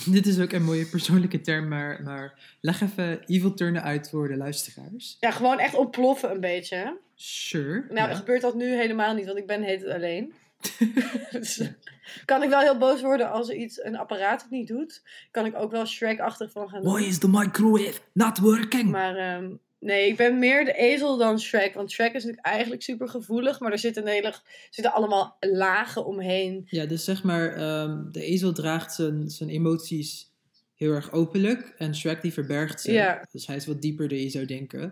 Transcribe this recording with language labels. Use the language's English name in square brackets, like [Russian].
[Dutch] Dit is ook een mooie persoonlijke term, maar leg even evil turnen uit voor de luisteraars. Ja, gewoon echt ontploffen een beetje. [English] Sure. [Dutch] Nou, gebeurt dat nu helemaal niet, want ik ben heet het alleen. Kan ik wel heel boos worden als er iets een apparaat het niet doet? Kan ik ook wel Shrek-achtig van gaan doen? [English] Why is the microwave not working? [Dutch] Maar nee, ik ben meer de ezel dan Shrek. Want Shrek is natuurlijk eigenlijk super gevoelig, maar er zitten allemaal lagen omheen. Ja, dus zeg maar, de ezel draagt zijn emoties heel erg openlijk. En Shrek die verbergt ze. Ja. Dus hij is wat dieper dan je zou denken.